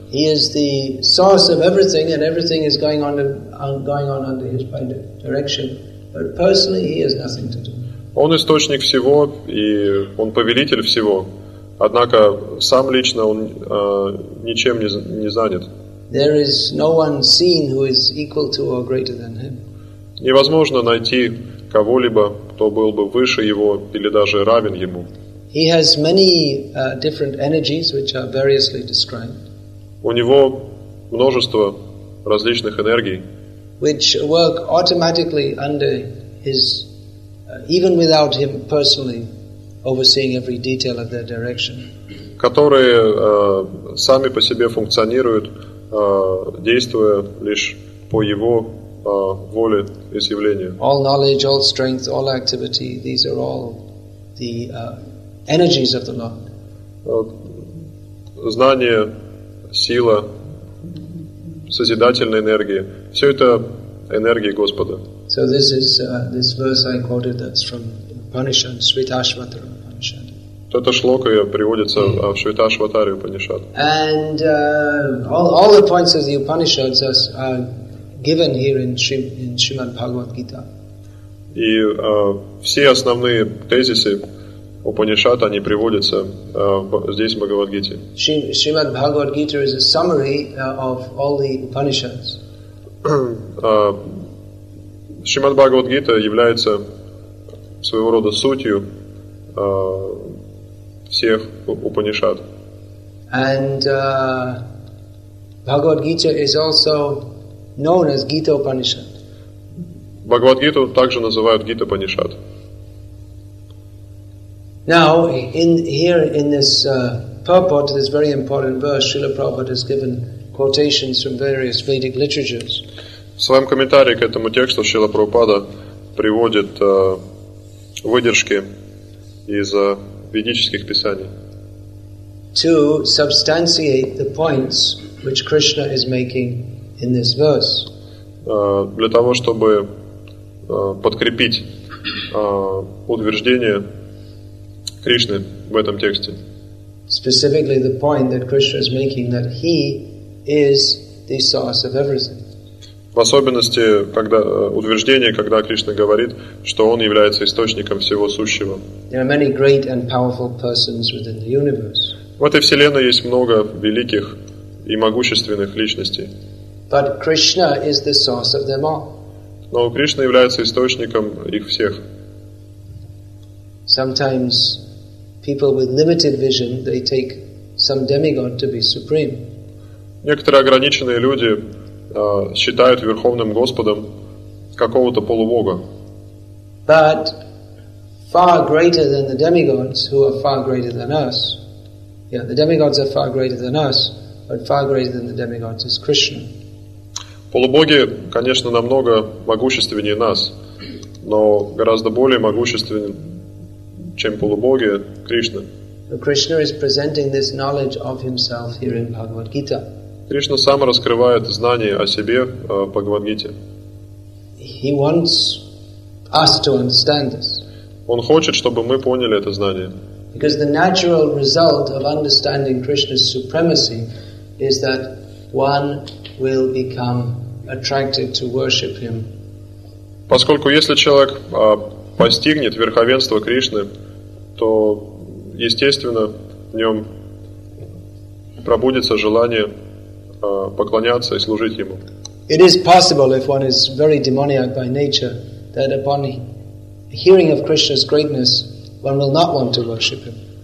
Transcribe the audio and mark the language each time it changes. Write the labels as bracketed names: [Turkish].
[English] He is the source of everything, and everything is going on under his direction. But personally, he has nothing to do. [Russian] Он источник всего, и он повелитель всего. Однако сам лично он ничем не занят. [English] There is no one seen who is equal to or greater than him. [Russian] Невозможно найти кого-либо, кто был бы выше его или даже равен ему. [English] He has many different energies, which are variously described. [Russian] У него множество различных энергий, [English] which work automatically under his, even without him personally overseeing every detail of their direction. [Russian] Которые сами по себе функционируют, действуя лишь по его воле и изъявлению. [English] All knowledge, all strength, all activity, these are all the energies of the Lord. [Russian] Знание, сила, созидательная энергия, все это энергии Господа. [English] So this is this verse I quoted, that's from Upanishad, Shvetashvatara Upanishad. [Russian] Это шлока приводится в Шветашватаре Упанишад. [English] And all the points of the Upanishads are given here in Srimad Bhagavad Gita. [Russian] И все основные тезисы Упанишад, они приводятся здесь в Бхагавад-гите. [English] Srimad Bhagavad Gita is a summary of all the Upanishads. [Russian] Srimad Bhagavad Gita является своего рода сутью всех Упанишад. [English] And Bhagavad Gita is also known as Gita Upanishad. [Russian] Bhagavad Gita также называют Gita Upanishad. [English] Now, here in this purport, this very important verse, Srila Prabhupada has given quotations from various Vedic literatures. [Russian] В своем комментарии к этому тексту Шрила Прабхупада приводит выдержки из ведических писаний. [English] To substantiate the points which Krishna is making in this verse. [Russian] Для того, чтобы подкрепить утверждение Кришны в этом тексте. [English] Specifically the point that Krishna is making, that he is the source of everything. [Russian] В особенности, когда утверждение, когда Кришна говорит, что он является источником всего сущего. [English] There are many great and powerful persons within the universe. [Russian] В этой вселенной есть много великих и могущественных личностей. [English] But Krishna is the source of them all. [Russian] Но Кришна является источником их всех. [English] Sometimes people with limited vision, they take some demigod to be supreme. [Russian] Некоторые ограниченные люди считают Верховным Господом какого-то полубога. [English] But far greater than the demigods, who are far greater than us. Yeah, the demigods are far greater than us, but far greater than the demigods is Krishna. [Russian] Полубоги, конечно, намного могущественнее нас, но гораздо более могущественен, чем полубоги, Кришна. [English] Krishna is presenting this knowledge of himself here in Bhagavad Gita. [Russian] Кришна сам раскрывает знание о себе в Бхагавад-гите. [English] He wants us to understand this. [Russian] Он хочет, чтобы мы поняли это знание. [English] Because the natural result of understanding Krishna's supremacy is that one will become attracted to worship him. [Russian] Поскольку если человек постигнет верховенство Кришны, то естественно в нем пробудется желание поклоняться и служить ему. [English] It is possible if one is very demoniac by nature that upon hearing of Krishna's greatness one will not want to worship him.